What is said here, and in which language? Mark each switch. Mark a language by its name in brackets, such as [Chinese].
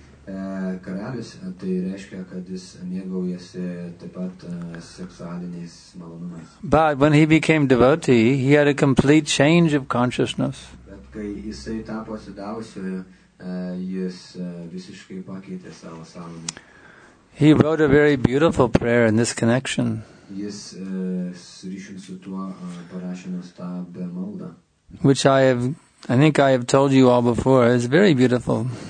[Lithuanian] Karalius, tai reiškia, kad jis mėgaujasi taip pat seksualiniais malonumais. [English] But when he became devotee, he had a complete change of consciousness. [Lithuanian] Bet kai jisai tapo sadhu, jis visiškai pakeitė savo sąmonę. [English] He wrote a very beautiful prayer in this connection. [Lithuanian] Jis ryšium su tuo parašė nuostabią maldą. [English] Which I think I have told you all before, is very beautiful.